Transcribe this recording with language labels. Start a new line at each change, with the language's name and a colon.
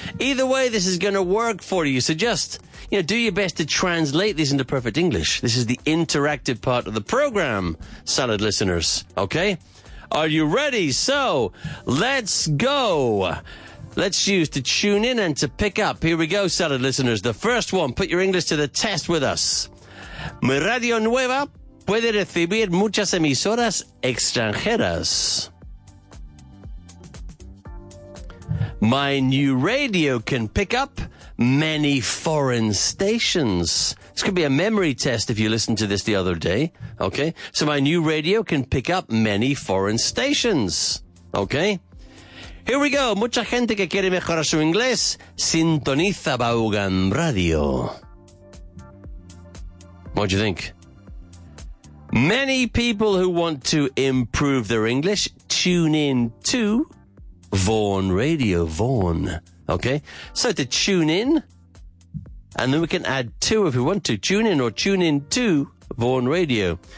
English: Either way, this is going to work for you. So just, you know, do your best to translate these into perfect English. This is the interactive part of the program, salad listeners. Okay? Are you ready? So, let's go. Let's use to tune in and to pick up. Here we go, salad listeners. The first one, put your English to the test with us.
Spanish: Mi radio nueva puede recibir muchas emisoras extranjeras.
English: My new radio can pick up many foreign stations. This could be a memory test if you listened to this the other day. Okay? So my new radio can pick up many foreign stations. Okay? Here we go.
Spanish: Mucha gente que quiere mejorar su inglés sintoniza Baugan Radio.
English: What do you think? Many people who want to improve their English tune in to Vaughan Radio. Vaughan. Okay, so to tune in, and then we can add to if we want to, tune in or tune in to Vaughan Radio.